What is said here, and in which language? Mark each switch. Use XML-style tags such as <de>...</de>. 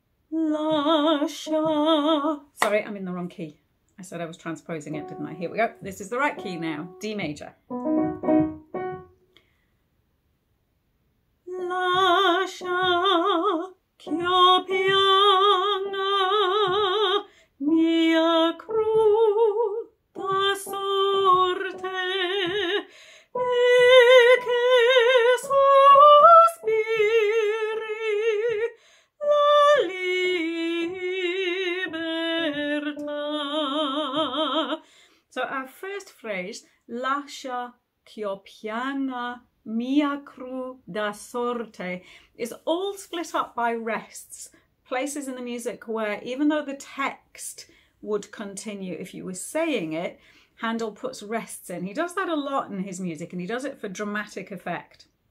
<en>Lascia. Sorry, I'm in the wrong key. I said I was transposing it, didn't I? Here we go. This is the right key now, D major.</en> <it>Lascia ch'io pianga, mia cruda sorte, e che sospiri, la libertà.</it> <en>So our first phrase, lascia ch'io pianga, mia cruda sorte, is all split up by rests, places in the music where, even though the text would continue if you were saying it, Handel puts rests in. He does that a lot in his music, and he does it for dramatic effect.</en>